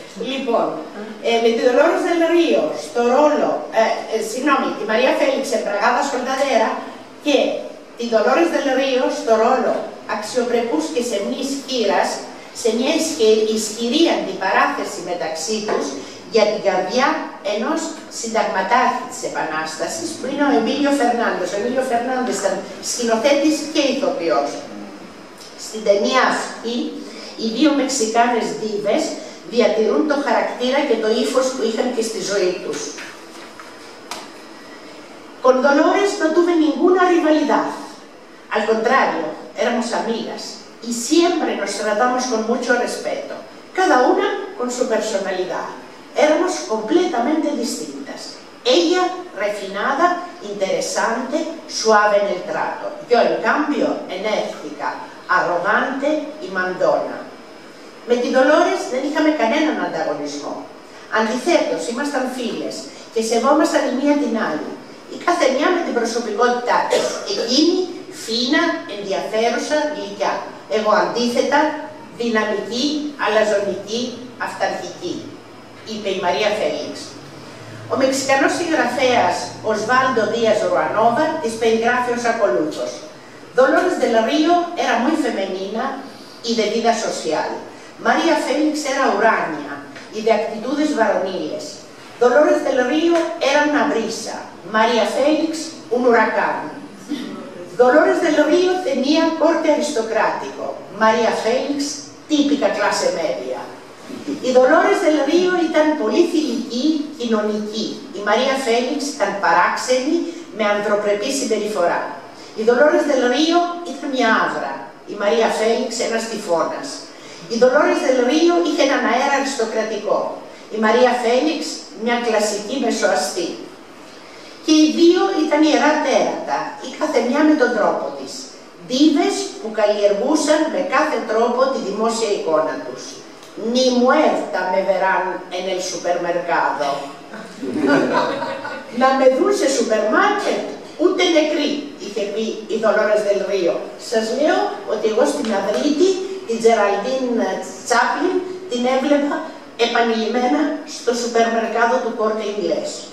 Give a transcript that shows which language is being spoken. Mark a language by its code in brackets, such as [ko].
[el] Λοιπόν, με τη Δολόρεσε Del Río, στο ρόλο, συγγνώμη, τη Μαρία Φέληξ, Πραγάτα Σολταδέρα, και τη Δολόρεσε Del Río, στο ρόλο αξιοπρεπούς και σεμνής χείρας, σε μια ισχυρή αντιπαράθεση μεταξύ τους, για την καρδιά ενός συνταγματάρχη της Επανάστασης, που είναι ο Εμίλιο Φερνάντες. Ο Εμίλιο Φερνάντες ήταν σκηνοθέτης και ηθοποιός. Στην ταινία αυτή, οι δύο Μεξικάνες δίβες διατηρούν το χαρακτήρα και το ύφος που είχαν και στη ζωή τους. [es] Con Dolores no tuve ninguna rivalidad. Al contrario, éramos amigas y siempre nos tratamos con mucho respeto, cada una con su personalidad. Éramos completamente distintas. Ella, refinada, interesante, suave en el trato. Yo, en cambio, enérgica, arrogante y mandona. [el] Με τη Dolores δεν είχαμε κανέναν ανταγωνισμό. Αντιθέτως, ήμασταν φίλες και σεβόμασταν η μία την άλλη. Η κάθε μία με την προσωπικότητά της. Εκείνη, φίνα, ενδιαφέρουσα, γλυκιά. Εγώ, αντίθετα, δυναμική, αλαζονική, αυταρχική, είπε η Μαρία Φέληξ. Ο Μεξικανός συγγραφέας Οσβάλντο Δίας Ρουανόβα της περιγράφει ως ακολούθως. [es] Dolores Del Río era muy femenina y de vida social. María Félix era uránea y de actitudes varoniles. Dolores Del Río era una brisa, María Félix un huracán. Dolores Del Río tenía corte aristocrático, María Félix típica clase media. [el] Η Dolores Del Río ήταν πολύ φιλική, κοινωνική. Η Μαρία Φέληξ ήταν παράξενη, με ανθρωπρεπή συμπεριφορά. Η Dolores Del Río ήταν μια άβρα. Η Μαρία Φέληξ ένας τυφώνας. Η Dolores Del Río είχε έναν αέρα αριστοκρατικό. Η Μαρία Φέληξ μια κλασική μεσοαστή. Και οι δύο ήταν ιερά τέρατα, η κάθε μια με τον τρόπο της. Δίβες που καλλιεργούσαν με κάθε τρόπο τη δημόσια εικόνα τους. [es] Ni muerta me verán en el supermercado. [el] Να με δουν σε σούπερ μάρκετ, ούτε νεκρή, είχε πει η Dolores Del Río. Σας λέω ότι εγώ στη Μαδρίτη την Geraldine Chaplin την έβλεπα επανειλημμένα στο σούπερ μάρκετ του Corte Inglés.